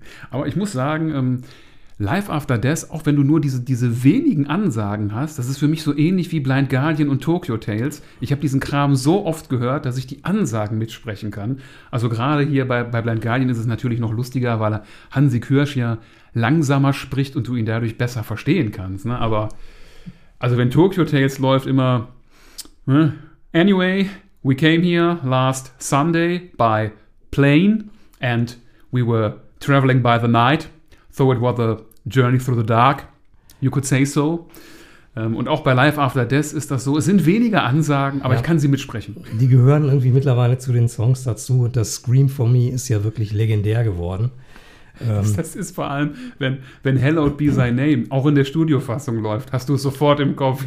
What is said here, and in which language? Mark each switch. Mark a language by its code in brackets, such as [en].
[de] Aber ich muss sagen, Live After Death, auch wenn du nur diese wenigen Ansagen hast, das ist für mich so ähnlich wie Blind Guardian und Tokyo Tales. Ich habe diesen Kram so oft gehört, dass ich die Ansagen mitsprechen kann. Also gerade hier bei Blind Guardian ist es natürlich noch lustiger, weil Hansi Kürsch ja langsamer spricht und du ihn dadurch besser verstehen kannst. Ne? Aber also wenn Tokyo Tales läuft immer, ne? [en] Anyway, we came here last Sunday by plane and we were traveling by the night. So it was a journey through the dark, you could say so. [de] Und auch bei Live After Death ist das so. Es sind weniger Ansagen, aber ja, ich kann sie mitsprechen. Die gehören irgendwie mittlerweile zu den Songs dazu. Und das Scream for Me ist ja wirklich legendär geworden. Das ist vor allem, wenn Hallowed Be Thy Name auch in der Studiofassung läuft, hast du es sofort im Kopf.